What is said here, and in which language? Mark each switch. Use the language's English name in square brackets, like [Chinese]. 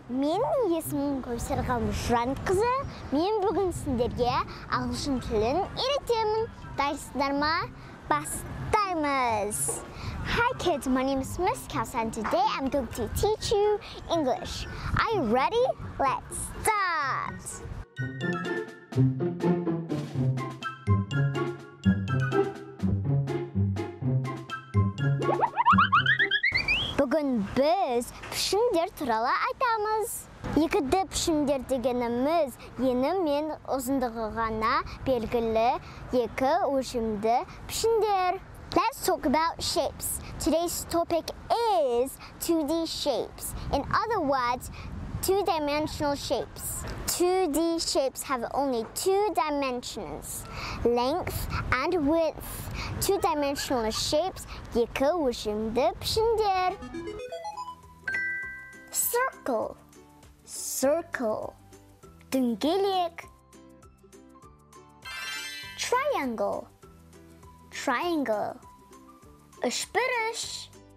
[Kazakh] Мен есімім Кәусар Қалмұшыран қызы. Мен бүгін сіздерге ағылшын тілін үйретемін. Дайсыздар ма? Бастаймыз! [English] Hi kids, my name is Miss Kaussar and today I'm going to teach you English. Are you ready? Let's start! [Kazakh] Бүгін біз пішіндер туралы айтамыз. Екіді пішіндер дегеніміз ені мен ұзындығы ғана белгілі екі өлшемді пішіндер. [English] Let's talk about shapes. Today's topic is 2D shapes. In other words, two-dimensional shapes. 2D shapes have only two dimensions, length and width. Two-dimensional shapes, [Kazakh] екі өлшемді пішіндер. [English] Circle, circle. Дөңгелек. Triangle, triangle. Үшбіріш.